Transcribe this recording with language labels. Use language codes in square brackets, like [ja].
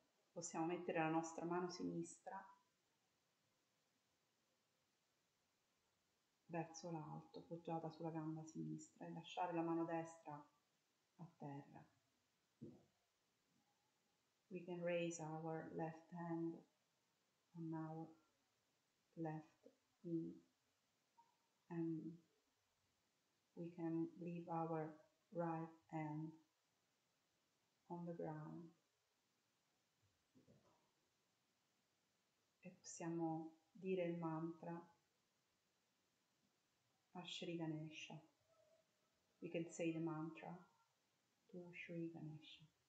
[it] Possiamo mettere la nostra mano sinistra verso l'alto, poggiata sulla gamba sinistra, e lasciare la mano destra a terra. [en] We can raise our left hand on our left knee, and we can leave our right hand on the ground. [it] E possiamo dire il mantra a Shri Ganesha. [en] We can say the mantra to Shri Ganesha.